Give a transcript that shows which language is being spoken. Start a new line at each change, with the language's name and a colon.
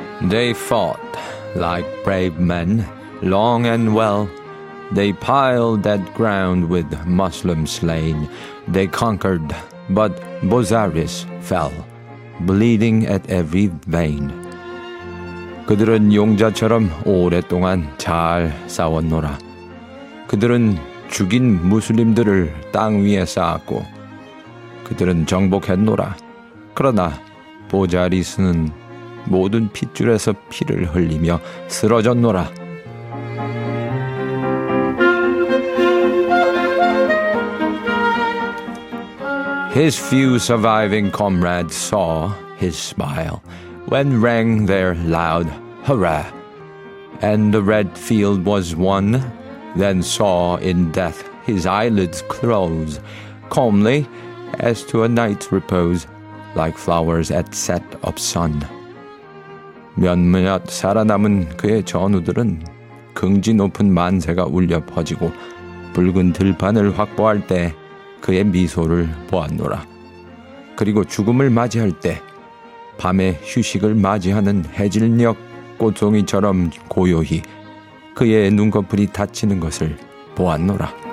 English: They fought like brave men, long and well. They piled that ground with Muslim slain. They conquered, but Bozaris fell, bleeding at every vein.
Korean: 그들은 용자처럼 오랫동안 잘 싸웠노라. 그들은 죽인 무슬림들을 땅 위에 쌓았고 그들은 정복했노라. 그러나 보자리스는 모든 핏줄에서 피를 흘리며 쓰러졌노라.
English: 'His few surviving comrades saw his smile when rang their loud hurrah, and the red field was won. Then saw in death his eyelids close calmly as to a night's repose, like flowers at set of sun.
Korean: 몇몇 살아남은 그의 전우들은 긍지 높은 만세가 울려 퍼지고 붉은 들판을 확보할 때 그의 미소를 보았노라. 그리고 죽음을 맞이할 때 밤의 휴식을 맞이하는 해질녘 꽃송이처럼 고요히 그의 눈꺼풀이 닫히는 것을 보았노라.